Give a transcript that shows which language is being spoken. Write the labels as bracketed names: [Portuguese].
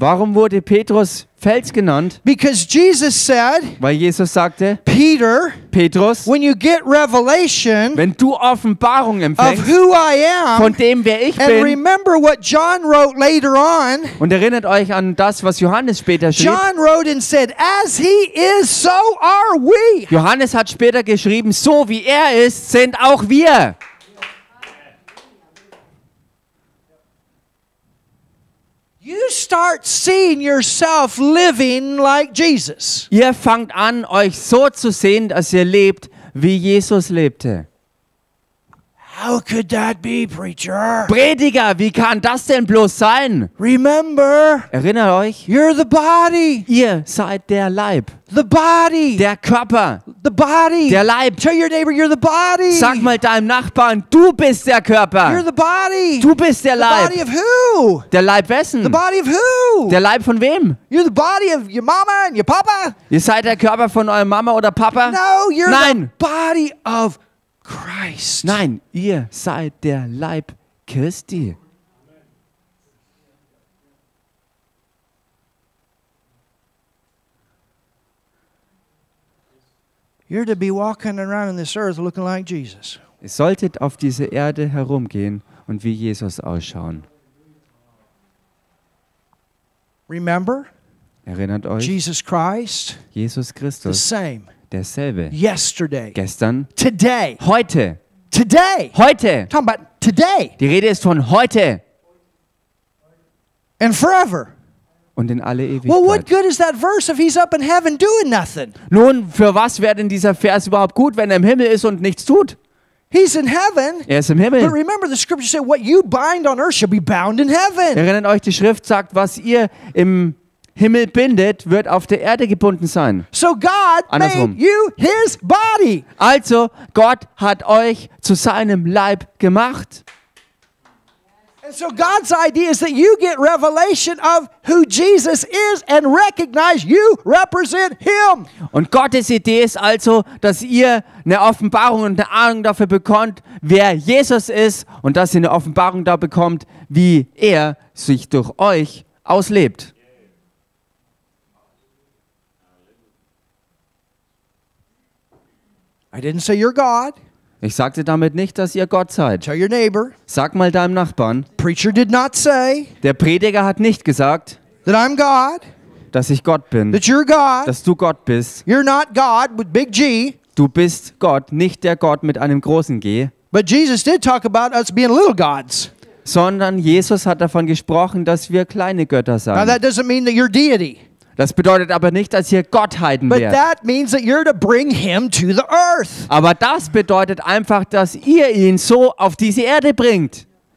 [German] Warum wurde Petrus Fels genannt? [English] Because Jesus said, [German] weil Jesus sagte, [English] Peter, [German] Petrus, [English] when you get revelation, [German] wenn du Offenbarung empfängst, [English] of who I am, [German] von dem, wer ich [English] and [German] bin, [English] remember what John wrote later on, [German] und erinnert euch an das, was Johannes später schrieb. [English] John wrote and said, as he is, so are we. [German] Johannes hat später geschrieben, so wie er ist, sind auch wir. [English] You start seeing yourself living like Jesus. [German] Ihr fangt an, euch so zu sehen, dass ihr lebt, wie Jesus lebte. [English] How could that be, preacher? [German] Prediger, wie kann das denn bloß sein? [English] Remember, [German] erinnert euch, [English] you're the body. [German] Ihr seid der Leib. [English] The body. [German] Der Körper. [English] The body. [German] Der Leib. [English] Tell your neighbor, you're the body. [German] Sag mal deinem Nachbarn, du bist der Körper. [English] You're the body. [German] Du bist der Leib. [English] The body of who? [German] Der Leib wessen? [English] The body of who? [German] Der Leib von wem? [English] You're the body of your mama and your papa. [German] Ihr seid der Körper von eurem Mama oder Papa? [English] No, you're [German] Nein. [English] the body of Christ. [German] Nein, ihr seid der Leib Christi. [English] You're to be walking around on this earth looking like Jesus. [German] Ihr solltet auf diese Erde herumgehen und wie Jesus ausschauen. [English] Remember? [German] Erinnert euch. [English] Jesus Christ. [German] Jesus Christus. [English] The same. [German] Derselbe. [English] Yesterday. [German] Gestern. [English] Today. [German] Heute. [English] Today. [German] Heute. [English] Talking about today. [German] Die Rede ist von heute. [English] And forever. [German] Und in alle Ewigkeit. [English] Well, what good is that verse if he's up in heaven doing nothing? [German] Nun, für was wäre denn dieser Vers überhaupt gut, wenn er im Himmel ist und nichts tut? [English] He's in heaven. [German] Er ist im Himmel. [English] But remember, the scripture said, what you bind on earth shall be bound in heaven. [German] Erinnert euch, die Schrift sagt, was ihr im Himmel bindet, wird auf der Erde gebunden sein. [English] So God [German] andersrum. [English] Made you his body. [German] Also, Gott hat euch zu seinem Leib gemacht. [English] And so God's idea is that you get revelation of who Jesus is and recognize you represent him. [German] Und Gottes Idee ist also, dass ihr eine Offenbarung und eine Ahnung dafür bekommt, wer Jesus ist und dass ihr eine Offenbarung da bekommt, wie er sich durch euch auslebt. [English] I didn't say you're God. [German] Ich sagte damit nicht, dass ihr Gott seid. [English] Tell your neighbor. [German] Sag mal deinem Nachbarn. [English] Preacher did not say. [German] Der Prediger hat nicht gesagt. [English] That I'm God. [German] Dass ich Gott bin. [English] That you're God. [German] Dass du Gott bist. [English] You're not God with big G. [German] Du bist Gott, nicht der Gott mit einem großen G. [English] But Jesus did talk about us being little gods. [German] sondern Jesus hat davon gesprochen, dass wir kleine Götter seien. [English] Now that doesn't mean that you're deity. [German] Das bedeutet aber nicht, dass ihr Gottheiten wärt. [English] But that means that you're to bring him to the earth. [German] Aber das bedeutet einfach, dass ihr ihn so auf diese Erde bringt.